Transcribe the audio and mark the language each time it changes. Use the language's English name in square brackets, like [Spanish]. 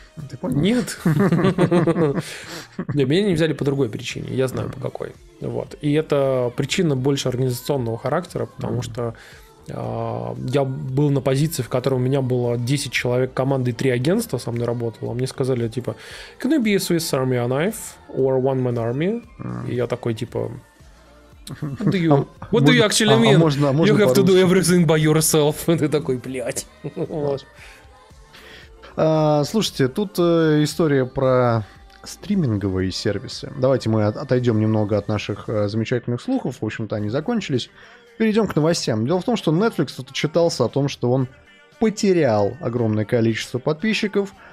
[Russian] Ты понял? Нет. Меня не взяли по другой причине. Я знаю, по какой. Вот. И это причина больше организационного характера, потому что я был на позиции, в которой у меня было 10 человек команды и 3 агентства со мной работало. Мне сказали, типа, [English] can I be a Swiss Army knife or one man army? [Russian] И я такой, типа, [English] what do you actually mean? [Russian] Можно [English] you have [Russian] по-русски. [English] To do everything by yourself. [Russian] И ты такой, блядь. Слушайте, тут история про стриминговые сервисы. Давайте мы отойдем немного от наших замечательных слухов. В общем-то, они закончились. Перейдем к новостям. Дело в том, что Netflix тут отчитался о том, что он потерял огромное количество подписчиков.